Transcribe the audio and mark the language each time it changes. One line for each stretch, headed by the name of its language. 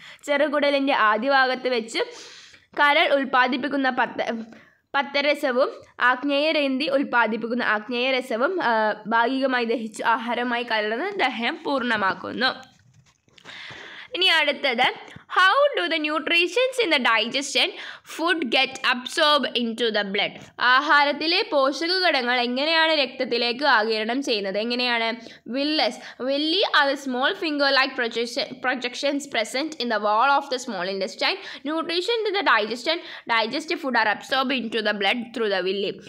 Malayalam: ചെറുകുടലിൻ്റെ ആദ്യഭാഗത്ത് വെച്ച് കരൾ ഉൽപ്പാദിപ്പിക്കുന്ന പത്തരസവും ആഗ്നേയരന്ധി ഉൽപ്പാദിപ്പിക്കുന്ന ആഗ്നേയരസവും ഭാഗികമായി ദഹിച്ച് ആഹാരമായി കലർന്ന് ദഹനം പൂർണ്ണമാക്കുന്നു. ഇനി അടുത്തത്,
English: How do the nutrients in the digestion food get absorbed into the blood?
Malayalam: ആഹാരത്തിലെ പോഷകഘടകങ്ങൾ എങ്ങനെയാണ് രക്തത്തിലേക്ക് ആഗിരണം ചെയ്യുന്നത്? എങ്ങനെയാണ്
English: Villus villi are the small finger like projections present in the wall of the small intestine nutrition in the digestion digest food are absorb into the blood through the villi.